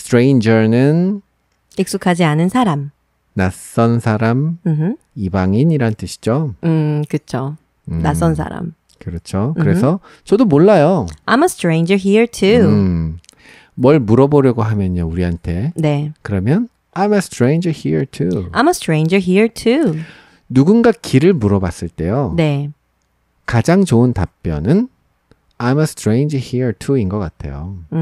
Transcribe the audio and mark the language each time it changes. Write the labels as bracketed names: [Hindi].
[Korean] Stranger는 익숙하지 않은 사람, 낯선 사람, mm-hmm. 이방인이란 뜻이죠. 그렇죠. 낯선 사람. 그렇죠. Mm-hmm. 그래서 저도 몰라요. [English] I'm a stranger here too. [Korean] 뭘 물어보려고 하면요, 우리한테. 네. 그러면 [English] I'm a stranger here too. I'm a stranger here too. [Korean] 누군가 길을 물어봤을 때요. 네. 가장 좋은 답변은 [English] I'm a stranger here too [Korean] 인 것 같아요.